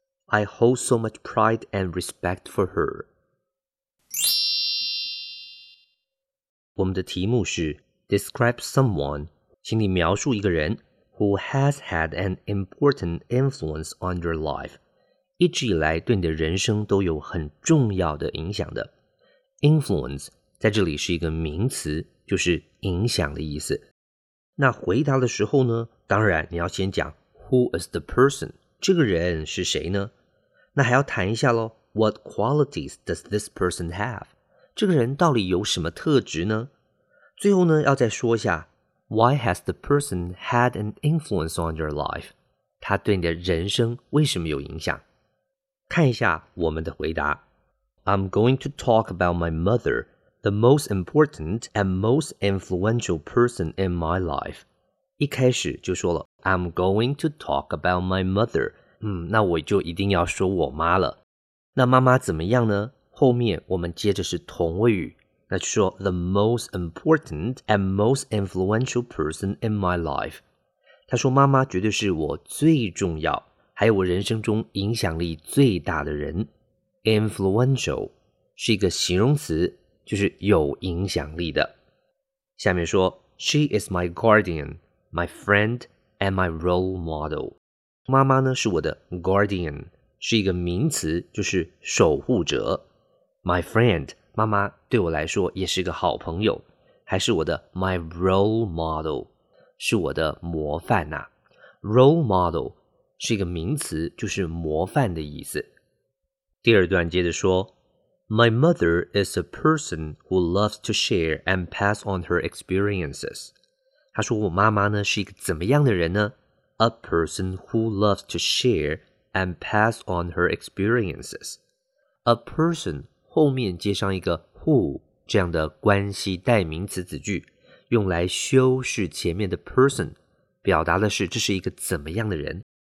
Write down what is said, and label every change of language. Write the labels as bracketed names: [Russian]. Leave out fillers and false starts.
[English] I hold so much pride and respect for her. [Chinese] 我们的题目是 [English] Describe someone, [Chinese] 请你描述一个人。 [English] Who has had an important influence on your life? [Chinese] 一直以来对你的人生都有很重要的影响的。 Influence 在这里是一个名词，就是影响的意思。那回答的时候呢，当然你要先讲 [English] Who is the person? [Chinese] 这个人是谁呢？那还要谈一下咯 [English] What qualities does this person have? [Chinese] 这个人到底有什么特质呢？最后呢，要再说一下 [English] Why has the person had an influence on your life? [Chinese] 他对你的人生为什么有影响？看一下我们的回答。 [English] I'm going to talk about my mother, the most important and most influential person in my life. [Chinese] 一开始就说了 [English] I'm going to talk about my mother. [Chinese] 那我就一定要说我妈了。那妈妈怎么样呢？后面我们接着是同位语。那就说 [English] the most important and most influential person in my life. [Chinese] 他说妈妈绝对是我最重要，还有我人生中影响力最大的人。 Influential 是一个形容词，就是有影响力的。下面说 [English] She is my guardian, my friend, and my role model. [Chinese] 妈妈呢是我的 guardian, 是一个名词，就是守护者。 My friend,妈妈对我来说也是个好朋友，还是我的 my role model, 是我的模范啊。 Role model 是一个名词，就是模范的意思。第二段接着说 [English] My mother is a person who loves to share and pass on her experiences. [Chinese] 她说我妈妈呢是一个怎么样的人呢？ [English] A person who loves to share and pass on her experiences. A person... [Chinese] 后面接上一个 who 这样的关系代名词子句，用来修饰前面的 person， 表达的是这是一个怎么样的人。